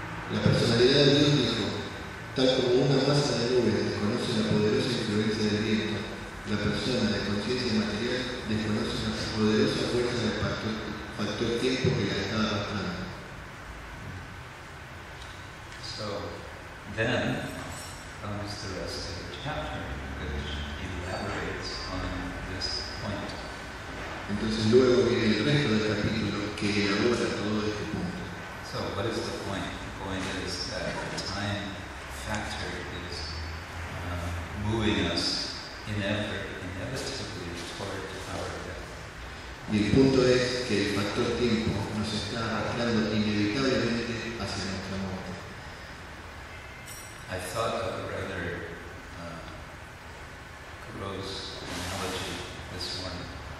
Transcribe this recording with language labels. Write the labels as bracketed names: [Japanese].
[Spanish] La personalidad de Dios dijo, tal como una masa de nubes desconoce la poderosa influencia del viento, la persona de conciencia material desconoce la poderosa fuerza del factor tiempo que la está arrastrando. [English] So, then comes the rest of the chapter, which elaborates on this point. [Spanish] Entonces luego viene el resto del capítulo que elabora todo este punto. [English] So, what is the point? Is that the time factor is moving us inevitably toward our death. [Spanish] Y el punto es que el factor tiempo nos está arrastrando inevitablemente hacia nuestra muerte. [English] I thought of a rather gross analogy this morning.